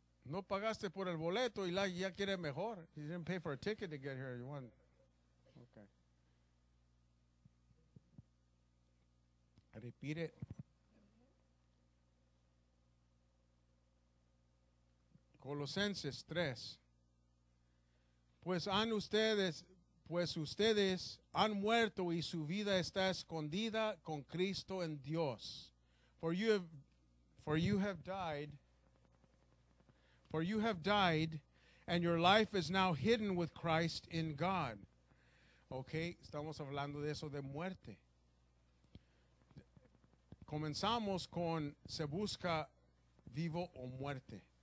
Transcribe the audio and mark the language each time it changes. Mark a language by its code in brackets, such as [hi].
[es] No pagaste por el boleto y ya quiere mejor. [en] You didn't pay for a ticket to get here. You want? Okay. Repeat it. [es] Colosenses 3. Pues ustedes han muerto y su vida está escondida con Cristo en Dios. [en] For you have died, and your life is now hidden with Christ in God. [es] Okay, estamos hablando de eso, de muerte. Comenzamos con, se busca vivo o muerte.